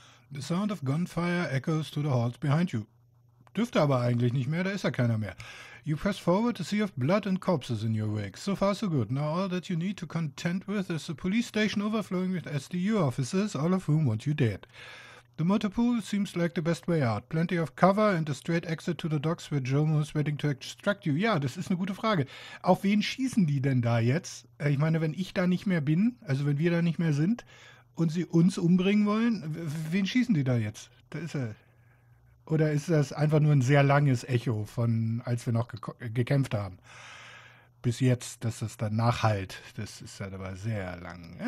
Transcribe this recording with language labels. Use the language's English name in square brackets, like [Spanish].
[English] The sound of gunfire echoes through the halls behind you. [German] Dürfte aber eigentlich nicht mehr, da ist ja keiner mehr. [English] You press forward to see if blood and corpses in your wake. So far, so good. Now all that you need to contend with is the police station overflowing with SDU officers, all of whom want you dead. The motor pool seems like the best way out. Plenty of cover and a straight exit to the docks where Jomo is waiting to extract you. [German] Ja, das ist eine gute Frage. Auf wen schießen die denn da jetzt? Ich meine, wenn ich da nicht mehr bin, also wenn wir da nicht mehr sind und sie uns umbringen wollen, wen schießen die da jetzt? Da ist er. Oder ist das einfach nur ein sehr langes Echo von, als wir noch gekämpft haben? Bis jetzt, dass das dann nachhallt. Das ist halt aber sehr lang.